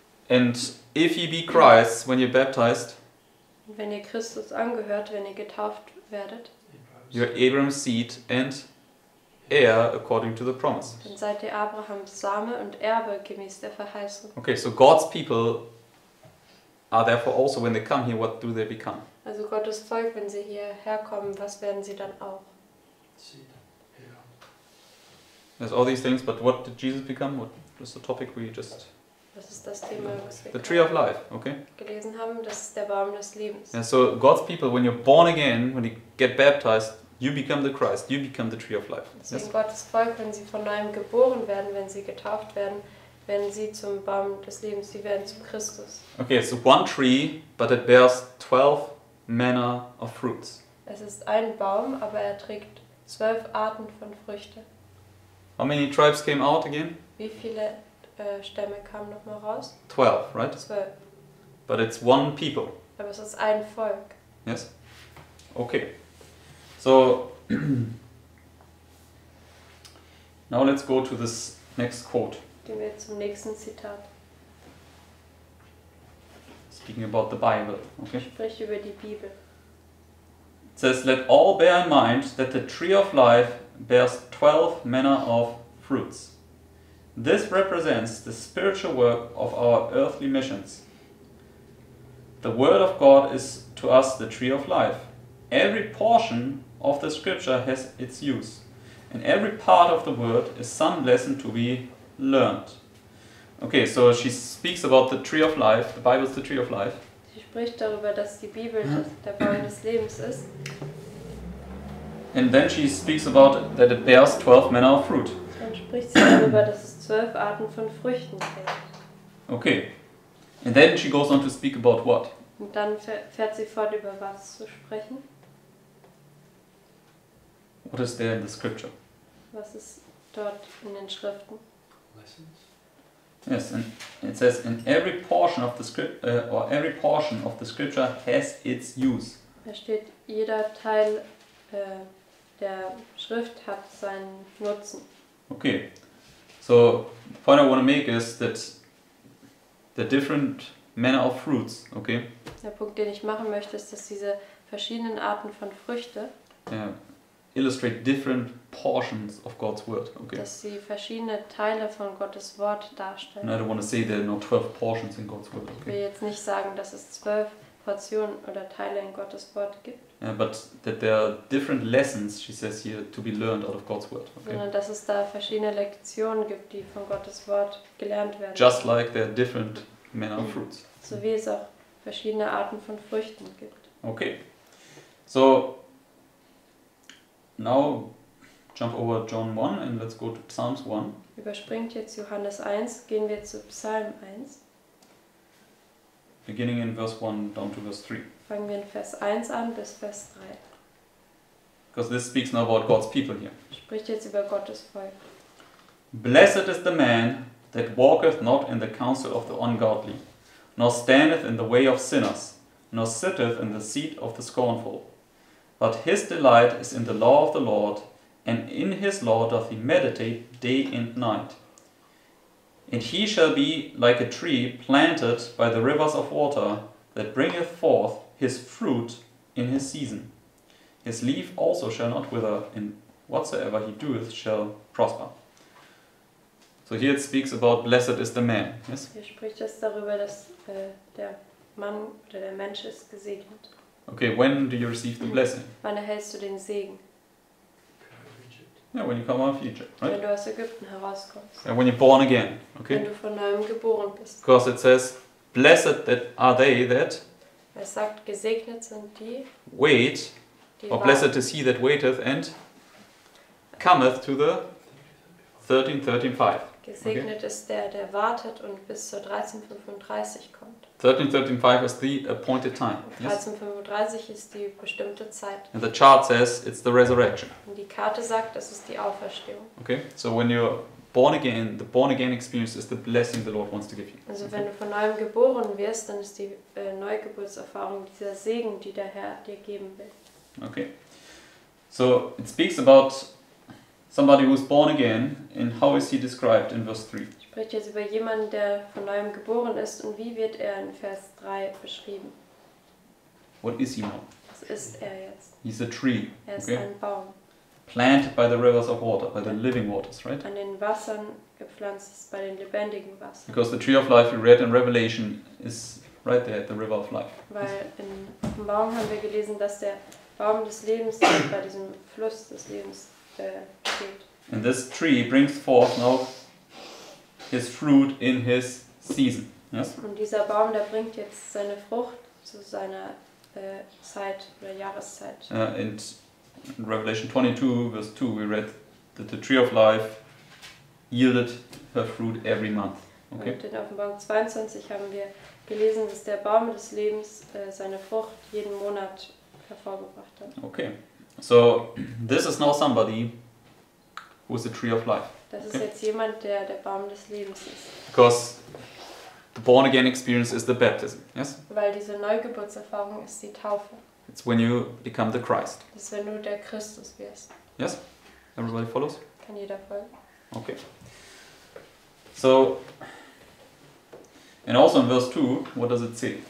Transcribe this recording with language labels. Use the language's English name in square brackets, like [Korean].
[English] And if he be Christ, when you're baptized, [German] wenn ihr Christus angehört, wenn ihr getauft werdet, [English] you're Abraham's seed and heir according to the promise. [German] Dann seid ihr Abrahams Same und Erbe gemäß der Verheißung. [English] Okay, so God's people are therefore also, when they come here, what do they become? [German] Also Gottes Volk, wenn sie hierher kommen, was werden sie dann auch? [English] There's all these things, but what did Jesus become? What was the topic we just... [German] Was ist das Thema, was wir [English] the tree of life, okay? [German] Gelesen haben, das ist der Baum des Lebens. [English] And so God's people, when you're born again, when you get baptized, you become the Christ, you become the tree of life. [German] Deswegen [English] yes? [German] Gottes Volk, wenn sie von neuem geboren werden, wenn sie getauft werden, werden sie zum Baum des Lebens, sie werden zum Christus. [English] Okay, so one tree, but it bears 12 manner of fruits. [German] Es ist ein Baum, aber er trägt 12 Arten von Früchte. [English] How many tribes came out again? [German] Wie viele Stämme kamen noch mal raus? [English] 12, right? 12. But it's one people. [German] Aber es ist ein Volk. [English] Yes? Okay. So, now let's go to this next quote. [German] Gehen wir zum nächsten Zitat. [English] Speaking about the Bible, okay? [German] Sprich über die Bibel. [English] It says, let all bear in mind that the tree of life bears 12 manner of fruits. This represents the spiritual work of our earthly missions. The word of God is to us the tree of life. Every portion of the scripture has its use. And every part of the word is some lesson to be learned. Okay, so she speaks about the tree of life. The Bible is the tree of life. [German] Sie spricht darüber, dass die Bibel der Baum des Lebens ist. [English] And then she speaks about that it bears 12 manner of fruit. [German] Dann spricht sie darüber, dass es 12 Arten von Früchten gibt. [English] Okay. And then she goes on to speak about what? [German] Und dann fährt sie fort, über was zu sprechen. [English] What is there in the scripture? [German] Was ist dort in den Schriften? [English] Lessons. Yes, and it says in every portion of the script or every portion of the scripture has its use. [German] Da steht, jeder Teil der Schrift hat seinen Nutzen. [English] Okay. So the point I want to make is that the different manner of fruits, okay? [German] Der Punkt, den ich machen möchte, ist, dass diese verschiedenen Arten von Früchte [English] illustrate different portions of God's word, okay? [German] Dass sie verschiedene Teile von Gottes Wort darstellen. [English] And I don't want to say there are not 12 portions in God's word, okay? [German] Ich will jetzt nicht sagen, dass es 12 Portionen oder Teile in Gottes Wort gibt. [English] Yeah, but that there are different lessons, she says here, to be learned out of God's word, okay? [German] Sondern dass es da verschiedene Lektionen gibt, die von Gottes Wort gelernt werden. [English] Just like there are different manner of fruits. [German] So wie es auch verschiedene Arten von Früchten gibt. [English] Okay. So, now jump over John 1 and let's go to Psalms 1. [German] Überspringt jetzt Johannes 1, gehen wir zu Psalm 1. [English] Beginning in verse 1 down to verse 3. [German] Fangen wir in Vers 1 an bis Vers 3. [English] Because this speaks now about God's people here. [German] Spricht jetzt über Gottes Volk. [English] Blessed is the man that walketh not in the counsel of the ungodly, nor standeth in the way of sinners, nor sitteth in the seat of the scornful. But his delight is in the law of the Lord, and in his law doth he meditate day and night. And he shall be like a tree planted by the rivers of water, that bringeth forth his fruit in his season. His leaf also shall not wither, and whatsoever he doeth shall prosper. So here it speaks about blessed is the man. Yes? [German] Hier spricht es darüber, dass der Mann oder der Mensch ist gesegnet. [English] Okay, when do you receive the blessing? [German] Wann erhältst du den Segen? [English] Yeah, when you come out of Egypt, right? [German] Wenn du aus Ägypten herauskommst. [English] And when you're born again, okay? [German] Wenn du von neuem geboren bist. [English] Because it says, blessed that are they that. [German] Es sagt, gesegnet sind die. [English] Wait, [German] die [English] or [German] warten. [English] Blessed is he that waiteth and cometh to the 13:13:5. [German] Gesegnet okay? Ist der wartet und bis zur 13:35 kommt. [English] 13:13:5 is the appointed time. [German] 13:35 ist die bestimmte Zeit. [English] And the chart says it's the resurrection. [German] Und die Karte sagt, das ist die Auferstehung. [English] Okay, so when you're born again experience is the blessing the Lord wants to give you. [German] Also [English] okay. [German] Wenn du von neuem geboren wirst, dann ist die Neugeburtserfahrung dieser Segen, die der Herr dir geben will. [English] Okay, so it speaks about somebody who is born again, and how is he described in verse 3? [German] Spricht jetzt über jemanden, der von neuem geboren ist, und wie wird er in Vers 3 beschrieben? [English] What is he now? [German] Was ist er jetzt? [English] He's a tree. [German] Er ist ein Baum. [English] Planted by the rivers of water, by the living waters, right? [German] An den Wassern gepflanzt ist, bei den lebendigen Wassern. [English] Because the tree of life we read in Revelation is right there at the river of life. [German] Weil in dem Baum haben wir gelesen, dass der Baum des Lebens bei diesem Fluss des Lebens [English] And this tree brings forth now his fruit in his season. Yes? [German] Und dieser Baum, der bringt jetzt seine Frucht zu seiner Zeit oder Jahreszeit. [English] And in Revelation 22, verse 2, we read that the tree of life yielded her fruit every month. Okay? [German] Und in Offenbarung 22 haben wir gelesen, dass der Baum des Lebens seine Frucht jeden Monat hervorgebracht hat. [English] Okay. So, this is now somebody who is the tree of life. [German] Das ist jetzt jemand, der Baum des Lebens ist. [English] Because the born again experience is the baptism, yes? [German] Weil diese Neugeburtserfahrung ist die Taufe. [English] It's when you become the Christ. [German] Das ist, wenn du der Christus wirst. [English] Yes? Everybody follows? [German] Kann jeder folgen. [English] Okay. So, and also in verse 2, what does it say?